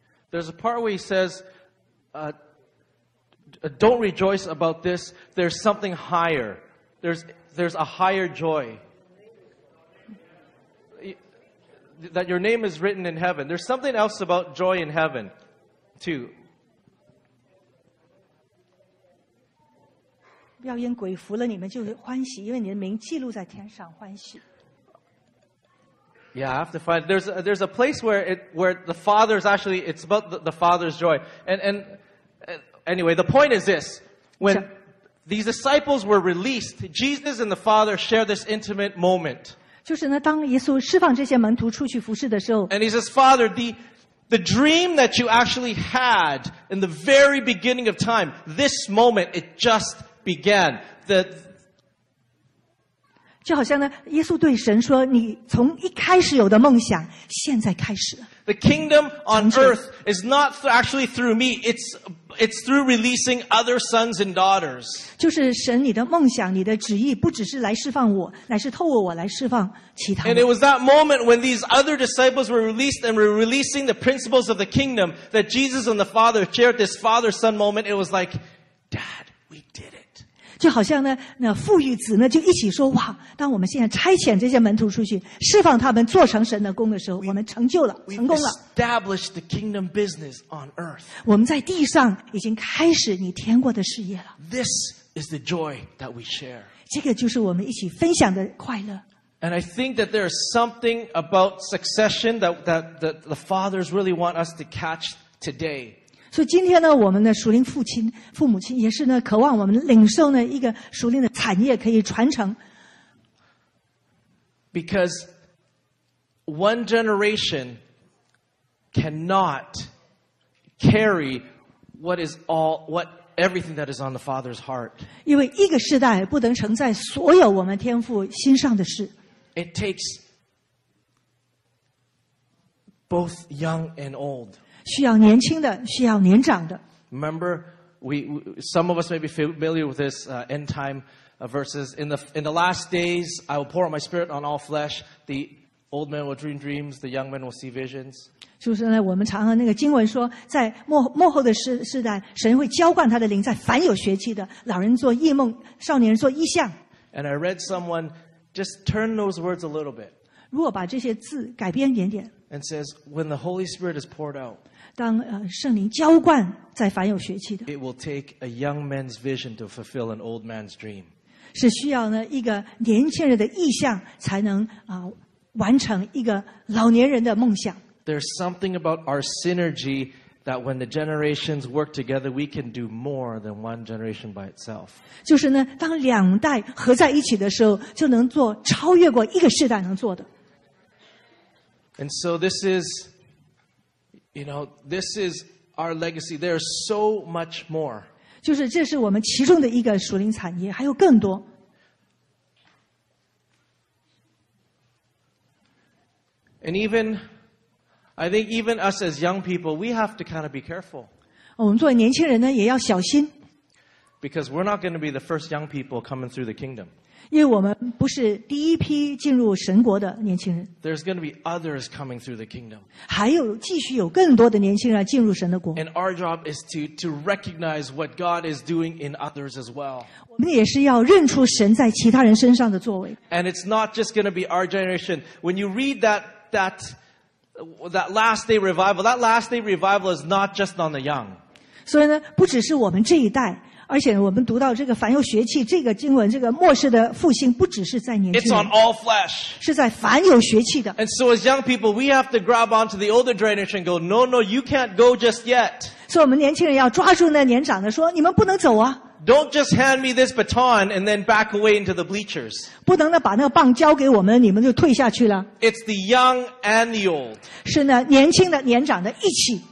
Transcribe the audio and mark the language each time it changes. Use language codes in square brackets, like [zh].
[en] There's a part where he says, don't rejoice about this. There's something higher. There's a higher joy. That your name is written in heaven. There's something else about joy in heaven, too. [zh] 要因鬼服了你们就欢喜，因为你的名记录在天上欢喜。 [en] Yeah, I have to find. There's a place where the Father is actually. It's about the Father's joy. And anyway, the point is this: when these disciples were released, Jesus and the Father share this intimate moment. [zh] 就是呢，当耶稣释放这些门徒出去服事的时候。 [en] And he says, Father, the dream that you actually had in the very beginning of time, this moment it just began. [zh] 就好像呢，耶稣对神说：“你从一开始有的梦想，现在开始了。” [en] The kingdom on earth is not actually through me. It's through releasing other sons and daughters. [zh] 就是神，你的梦想，你的旨意，不只是来释放我，乃是透过我来释放其他。 [en] And it was that moment when these other disciples were released and were releasing the principles of the kingdom that Jesus and the Father shared this father-son moment. It was like, Dad, we did it. [zh] 就好像呢，那父与子呢就一起说哇，当我们现在差遣这些门徒出去，释放他们做成神的工的时候，我们成就了，成功了。 [en] We established the kingdom business on earth. [zh] 我们在地上已经开始你天国的事业了。 [en] This is the joy that we share. [zh] 这个就是我们一起分享的快乐。 [en] And I think that there's something about succession that the fathers really want us to catch today. [zh] 所以今天呢，我们的属灵父亲、父母亲也是呢，渴望我们领受呢一个属灵的产业可以传承。 [en] Because one generation cannot carry what everything that is on the Father's heart. [zh] 因为一个世代不能承载所有我们天父心上的事。 [en] It takes both young and old. [zh] 需要年轻的，需要年长的。 [en] Remember, some of us may be familiar with this end time verses. In the last days, I will pour out my spirit on all flesh. The old men will dream dreams, the young men will see visions. [zh] 就是呢，我们常常那个经文说，在末后的世代，神会浇灌他的灵，在凡有血气的老人做异梦，少年人做异象。 [en] And I read someone just turn those words a little bit. [zh] 如果把这些字改编一点点。 [en] And says, when the Holy Spirit is poured out, [zh] 当圣灵浇灌在凡有血气的 [en] it will take a young man's vision to fulfill an old man's dream. [zh] 是需要呢一个年轻人的意向才能完成一个老年人的梦想 [en] There's something about our synergy that when the generations work together, we can do more than one generation by itself. [zh] 就是呢，当两代合在一起的时候，就能做超越过一个世代能做的。 [en] And so this is, you know, this is our legacy. There is so much more. [zh] 就是这是我们其中的一个属灵产业，还有更多。 [en] And even, I think even us as young people, we have to kind of be careful. [zh] 我们作为年轻人呢，也要小心。 [en] Because we're not going to be the first young people coming through the kingdom. [zh] 因为我们不是第一批进入神国的年轻人。 [en] There's going to be others coming through the kingdom. [zh] 还有继续有更多的年轻人进入神的国。 [en] And our job is to recognize what God is doing in others as well. [zh] 我们也是要认出神在其他人身上的作为。 [en] And it's not just going to be our generation. When you read that last day revival is not just on the young. [zh] 所以呢，不只是我们这一代。而且我们读到这个凡有血气这个经文这个末世的复兴不只是在年轻人 [en] It's on all flesh. [zh] 是在凡有血气的 [en] And so as young people, we have to grab onto the older generation and go, no, no, you can't go just yet. [zh] 所以我们年轻人要抓住那年长的说你们不能走啊 [en] Don't just hand me this baton and then back away into the bleachers. [zh] 不能把那个棒交给我们你们就退下去了 [en] It's the young and the old. [zh] 是呢年轻的年长的一起